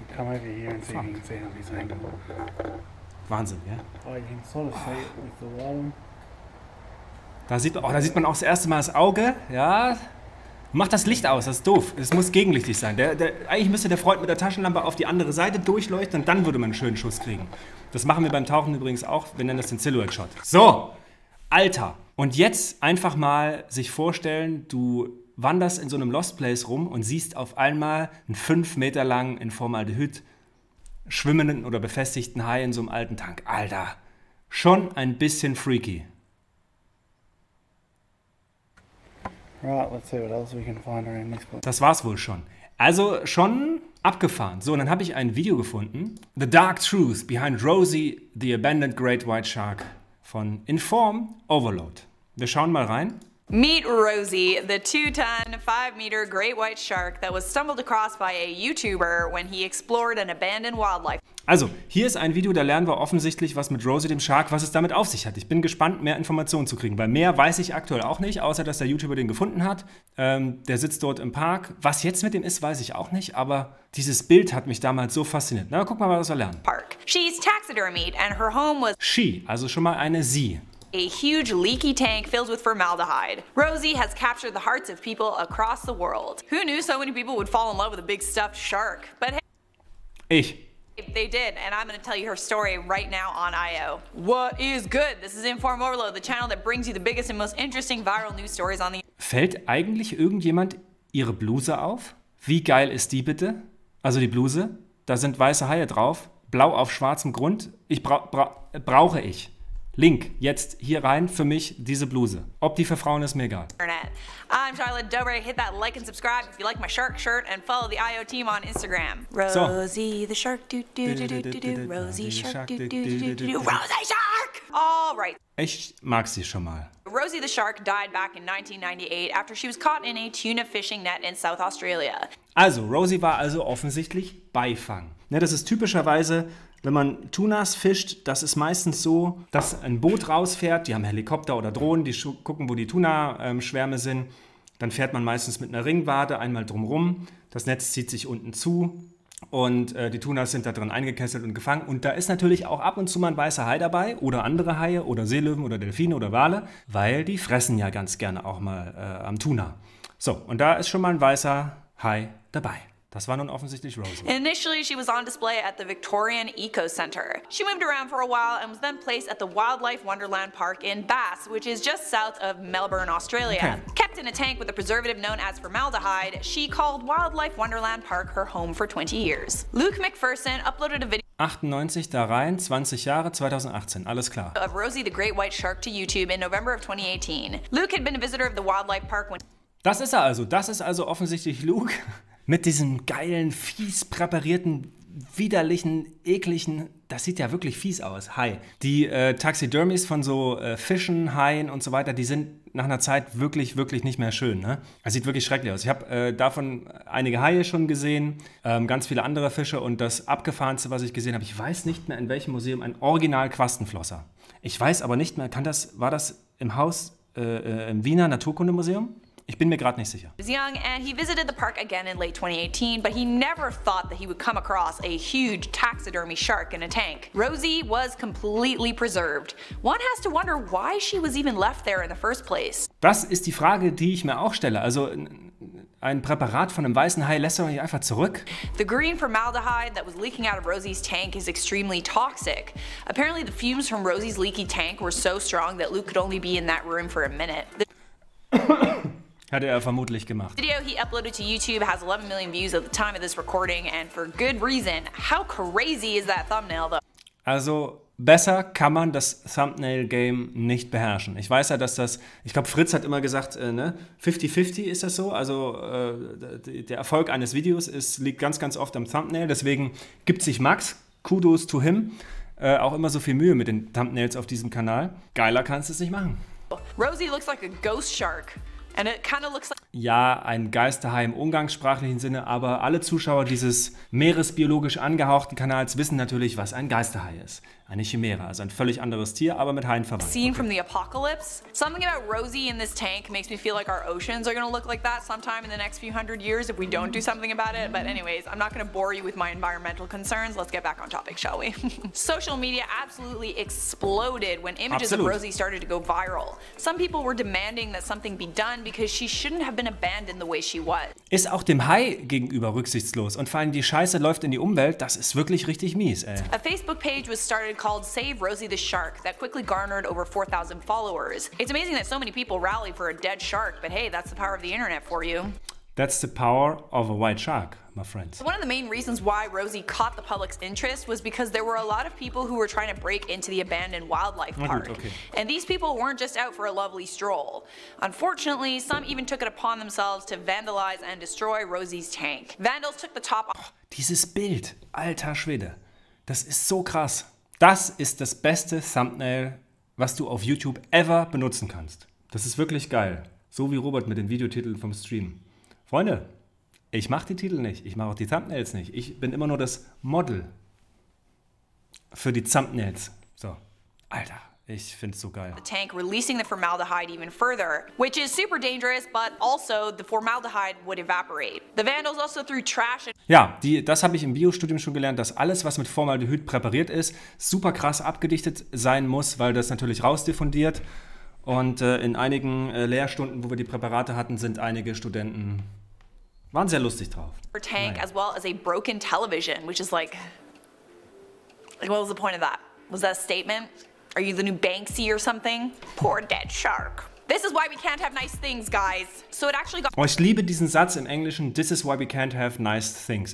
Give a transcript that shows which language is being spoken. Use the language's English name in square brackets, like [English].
[English] Come over here and see if you can see it on this angle. [German] Wahnsinn, ja? [English] Oh, you can sort of see it with the wall. [German] Da sieht man auch das erste Mal das Auge, ja? Mach das Licht aus, das ist doof. Es muss gegenlichtig sein. Eigentlich müsste der Freund mit der Taschenlampe auf die andere Seite durchleuchten und dann würde man einen schönen Schuss kriegen. Das machen wir beim Tauchen übrigens auch. Wir nennen das den Silhouette Shot. So, Alter. Und jetzt einfach mal sich vorstellen, du wanderst in so einem Lost Place rum und siehst auf einmal einen 5 Meter langen, in Formaldehyd schwimmenden oder befestigten Hai in so einem alten Tank. Alter, schon ein bisschen freaky. [English] Right, let's see what else we can find around this place. [German] Das war's wohl schon. Also schon abgefahren. So, und dann habe ich ein Video gefunden. The Dark Truth Behind Rosie, the Abandoned Great White Shark von Inform Overload. Wir schauen mal rein. [English] Meet Rosie, the 2-ton, 5-meter great white shark that was stumbled across by a YouTuber when he explored an abandoned wildlife. [German] Also, hier ist ein Video, da lernen wir offensichtlich, was mit Rosie, dem Shark, was es damit auf sich hat. Ich bin gespannt, mehr Informationen zu kriegen, weil mehr weiß ich aktuell auch nicht, außer dass der YouTuber den gefunden hat. Der sitzt dort im Park. Was jetzt mit dem ist, weiß ich auch nicht, aber dieses Bild hat mich damals so fasziniert. Na, guck mal, was wir lernen. [English] Park. She's taxidermied and her home was... [German] She, also schon mal eine sie. [English] A huge leaky tank filled with formaldehyde. Rosie has captured the hearts of people across the world. Who knew so many people would fall in love with a big stuffed shark? But hey... [German] Ich. [English] They did, and I'm going to tell you her story right now on IO. What is good? This is Inform Overload, the channel that brings you the biggest and most interesting viral news stories on the... [German] Fällt eigentlich irgendjemand ihre Bluse auf? Wie geil ist die bitte? Also die Bluse? Da sind weiße Haie drauf. Blau auf schwarzem Grund. Brauche ich. Link, jetzt hier rein für mich diese Bluse. Ob die für Frauen ist, mir egal. [English] Internet. I'm Charlotte Dobre. Hit that like and subscribe if you like my shark shirt and follow the IO team on Instagram. So. Rosie the shark, doo doo doo doo doo. Rosie shark, doo doo doo doo doo. Rosie shark! All right. [German] Ich mag sie schon mal. [English] Rosie the shark died back in 1998 after she was caught in a tuna fishing net in South Australia. [German] Also, Rosie war also offensichtlich Beifang. Ne, das ist typischerweise... Wenn man Tunas fischt, das ist meistens so, dass ein Boot rausfährt, die haben Helikopter oder Drohnen, die gucken, wo die Tuna-Schwärme sind. Dann fährt man meistens mit einer Ringwade einmal drumherum, das Netz zieht sich unten zu und die Tunas sind da drin eingekesselt und gefangen. Und da ist natürlich auch ab und zu mal ein weißer Hai dabei oder andere Haie oder Seelöwen oder Delfine oder Wale, weil die fressen ja ganz gerne auch mal am Tuna. So, und da ist schon mal ein weißer Hai dabei. Das war nun offensichtlich Rosie. [English] Initially she was on display at the Victorian Eco Center. She moved around for a while and was then placed at the Wildlife Wonderland Park in Bass, which is just south of Melbourne, Australia. Okay. Kept in a tank with a preservative known as formaldehyde, she called Wildlife Wonderland Park her home for 20 years. Luke McPherson uploaded a video [German] 98 da rein, 20 Jahre, 2018, alles klar. [English] Of Rosie the Great White Shark to YouTube in November of 2018. Luke had been a visitor of the wildlife park when [German] Das ist er also, das ist also offensichtlich Luke. Mit diesem geilen, fies präparierten widerlichen, ekligen, das sieht ja wirklich fies aus, Hai. Die Taxidermies von so Fischen, Haien und so weiter, die sind nach einer Zeit wirklich, wirklich nicht mehr schön. Ne? Das sieht wirklich schrecklich aus. Ich habe davon einige Haie schon gesehen, ganz viele andere Fische. Und das Abgefahrenste, was ich gesehen habe, ich weiß nicht mehr, in welchem Museum, ein Original-Quastenflosser. Ich weiß aber nicht mehr, war das im Haus im Wiener Naturkundemuseum? Ich bin mir gerade nicht sicher. [English] He was young and he visited the park again in late 2018, but he never thought that he would come across a huge taxidermy shark in a tank. Rosie was completely preserved. One has to wonder why she was even left there in the first place. [German] Das ist die Frage, die ich mir auch stelle. Also ein Präparat von einem weißen Hai lässt man hier einfach zurück. [English] The green formaldehyde that was leaking out of Rosie's tank is extremely toxic. Apparently the fumes from Rosie's leaky tank were so strong that Luke could only be in that room for a minute. [German] Hatte er vermutlich gemacht. [English] Video he uploaded to YouTube has 11 million views at the time of this recording and for good reason. How crazy is that thumbnail though? [German] Also, besser kann man das Thumbnail Game nicht beherrschen. Ich weiß ja, dass das, ich glaube Fritz hat immer gesagt, ne, 50-50 ist das so, also der Erfolg eines Videos liegt ganz ganz oft am Thumbnail, deswegen gibt sich Max, [English] Kudos to him, [German] auch immer so viel Mühe mit den Thumbnails auf diesem Kanal. Geiler kannst du es nicht machen. [English] Rosie looks like a ghost shark. And it kind of looks like [German] ja, ein Geisterhai im umgangssprachlichen Sinne, aber alle Zuschauer dieses meeresbiologisch angehauchten Kanals wissen natürlich, was ein Geisterhai ist. Eine Chimäre, also ein völlig anderes Tier, aber mit Haien verwandt. [English] Scene from the apocalypse. Something about Rosie in this tank makes me feel like our oceans are gonna look like that sometime in the next few hundred years if we don't do something about it. But anyways, I'm not gonna bore you with my environmental concerns. Let's get back on topic, shall we? Social media absolutely exploded when images of Rosie started to go viral. Some people were demanding that something be done because she shouldn't have been abandoned the way she was. [German] Ist auch dem Hai gegenüber rücksichtslos und vor allem die Scheiße läuft in die Umwelt, das ist wirklich richtig mies, ey. [English] A Facebook page was started called Save Rosie the Shark that quickly garnered over 4,000 followers. It's amazing that so many people rally for a dead shark, but hey, that's the power of the internet for you. That's the power of a white shark, my friends. One of the main reasons why Rosie caught the public's interest was because there were a lot of people who were trying to break into the abandoned wildlife park. Okay. And these people weren't just out for a lovely stroll. Unfortunately, some even took it upon themselves to vandalize and destroy Rosie's tank. Vandals took the top off. [German] Dieses Bild, alter Schwede, das ist so krass. Das ist das beste Thumbnail, was du auf YouTube ever benutzen kannst. Das ist wirklich geil. So wie Robert mit den Videotiteln vom Stream. Freunde, ich mache die Titel nicht, ich mache auch die Thumbnails nicht. Ich bin immer nur das Model für die Thumbnails. So, Alter, ich find's so geil. [English] The tank releasing the formaldehyde even further, which is super dangerous, but also the formaldehyde would evaporate. The vandals also threw trash. [German] Ja, das habe ich im Biostudium schon gelernt, dass alles, was mit Formaldehyd präpariert ist, super krass abgedichtet sein muss, weil das natürlich rausdiffundiert. Und in einigen Lehrstunden, wo wir die Präparate hatten, sind einige Studenten waren sehr lustig drauf. [English] Her tank as well as a broken television, which is like, what was the point of that? Was that a statement? Are you the new Banksy or something? Poor dead shark. This is why we can't have nice things, guys. So it actually got. [German] Oh, ich liebe diesen Satz im Englischen. [English] This is why we can't have nice things.